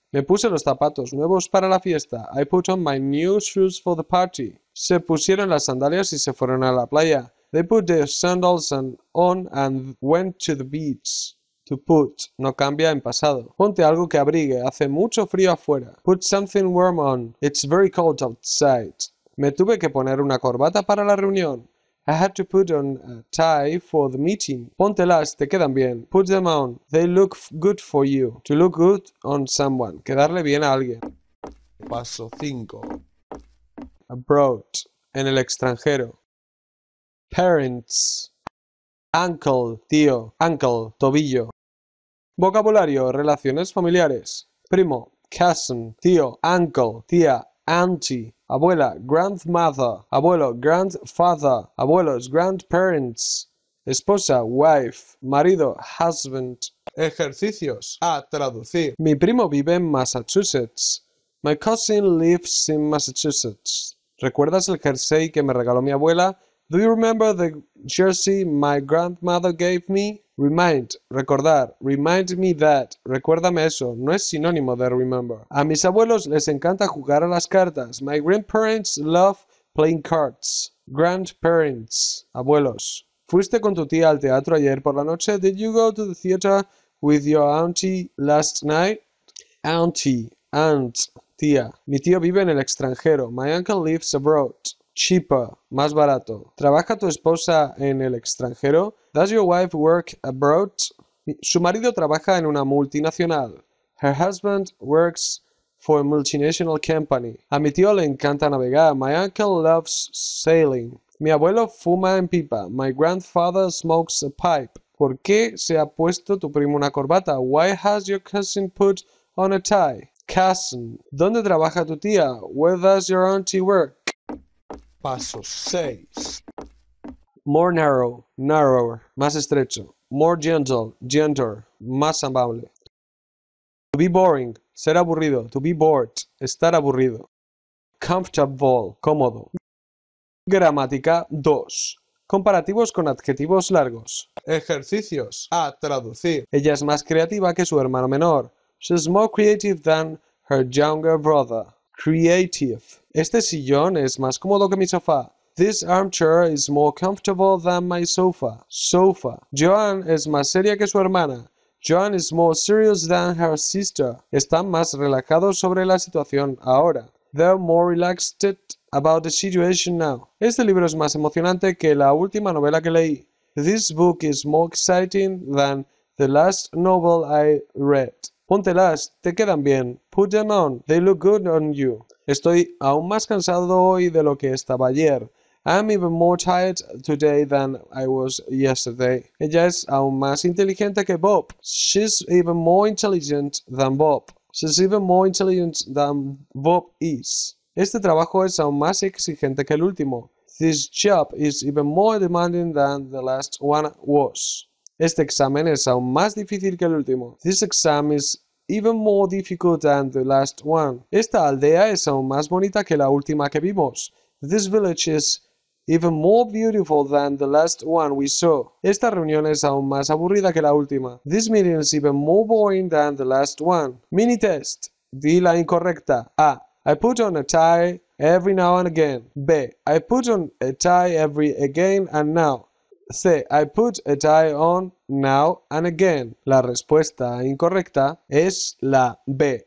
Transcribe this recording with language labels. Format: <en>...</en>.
<es>Me puse los zapatos nuevos para la fiesta.</es> <en>I put on my new shoes for the party.</en> <es>Se pusieron las sandalias y se fueron a la playa.</es> <en>They put their sandals on and went to the beach. To put.</en> <es>No cambia en pasado. Ponte algo que abrigue. Hace mucho frío afuera.</es> <en>Put something warm on. It's very cold outside.</en> <es>Me tuve que poner una corbata para la reunión.</es> <en>I had to put on a tie for the meeting.</en> <es>Póntelas, te quedan bien.</es> <en>Put them on. They look good for you. To look good on someone.</en> <es>Quedarle bien a alguien. Paso 5. Abroad. En el extranjero. Parents. Uncle, tío. Uncle, tobillo. Vocabulario, relaciones familiares. Primo, cousin, tío, uncle, tía, auntie. Abuela, grandmother. Abuelo, grandfather. Abuelos, grandparents. Esposa, wife. Marido, husband. Ejercicios, a traducir. Mi primo vive en Massachusetts.</es> <en>My cousin lives in Massachusetts.</en> <es>¿Recuerdas el jersey que me regaló mi abuela?</es> <en>Do you remember the jersey my grandmother gave me? Remind, recordar. Remind me that.</en> <es>Recuérdame eso. No es sinónimo de remember. A mis abuelos les encanta jugar a las cartas.</es> <en>My grandparents love playing cards.</en> <es>Grandparents, abuelos. ¿Fuiste con tu tía al teatro ayer por la noche?</es> <en>Did you go to the theater with your auntie last night?</en> <es>Auntie, aunt, tía. Mi tío vive en el extranjero.</es> <en>My uncle lives abroad. Cheaper, más barato.</en> <es>¿Trabaja tu esposa en el extranjero?</es> <en>Does your wife work abroad?</en> <es>Su marido trabaja en una multinacional.</es> <en>Her husband works for a multinational company.</en> <es>A mi tío le encanta navegar.</es> <en>My uncle loves sailing.</en> <es>Mi abuelo fuma en pipa.</es> <en>My grandfather smokes a pipe.</en> <es>¿Por qué se ha puesto tu primo una corbata?</es> <en>Why has your cousin put on a tie?</en> <es>Cousin. ¿Dónde trabaja tu tía?</es> <en>Where does your auntie work?</en> <es>Paso 6.</es> <en>More narrow, narrower, más estrecho. More gentle, gentler, más amable. To be boring, ser aburrido. To be bored, estar aburrido.</en> <es>Comfortable, cómodo. Gramática 2. Comparativos con adjetivos largos. Ejercicios, a traducir. Ella es más creativa que su hermano menor.</es> <en>She's more creative than her younger brother.</en> <es>Creative. Este sillón es más cómodo que mi sofá.</es> <en>This armchair is more comfortable than my sofa.</en> <es>Sofa. Joan es más seria que su hermana.</es> <en>Joan is more serious than her sister.</en> <es>Están más relajados sobre la situación ahora.</es> <en>They're more relaxed about the situation now.</en> <es>Este libro es más emocionante que la última novela que leí.</es> <en>This book is more exciting than the last novel I read. Póntelas, te quedan bien. Put them on, they look good on you.</en> <es>Estoy aún más cansado hoy de lo que estaba ayer.</es> <en>I'm even more tired today than I was yesterday.</en> <es>Ella es aún más inteligente que Bob.</es> <en>She's even more intelligent than Bob. She's even more intelligent than Bob is.</en> <es>Este trabajo es aún más exigente que el último.</es> <en>This job is even more demanding than the last one was.</en> <es>Este examen es aún más difícil que el último.</es> <en>This exam is even more difficult than the last one.</en> <es>Esta aldea es aún más bonita que la última que vimos.</es> <en>This village is even more beautiful than the last one we saw.</en> <es>Esta reunión es aún más aburrida que la última.</es> <en>This meeting is even more boring than the last one. Mini test.</en> <es>Di la incorrecta.</es> <en>A. I put on a tie every now and again. B. I put on a tie every again and now. C. I put a tie on now and again.</en> <es>La respuesta incorrecta es la B.</es>